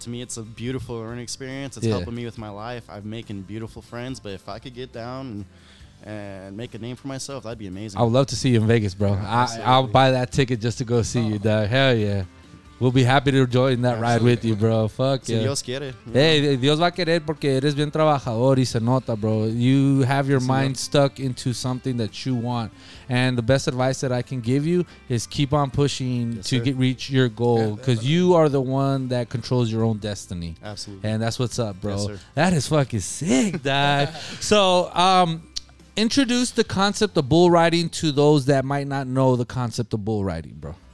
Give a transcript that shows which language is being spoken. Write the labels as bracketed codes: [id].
[en] To me, it's a beautiful learning experience. It's helping me with my life. I'm making beautiful friends. But if I could get down and make a name for myself, that'd be amazing. I would love to see you in Vegas, bro. I'll buy that ticket just to go see you, dog. Hell yeah. We'll be happy to join that ride with you, bro. Fuck yeah. [es] Si Dios quiere. Hey, Dios va a querer porque eres bien trabajador y se nota, bro. [en] You have your mind stuck into something that you want. And the best advice that I can give you is keep on pushing reach your goal because you are the one that controls your own destiny. Absolutely. And that's what's up, bro. Yes, sir. That is fucking sick, dog. So, introduce the concept of bull riding to those that might not know the concept of bull riding, bro.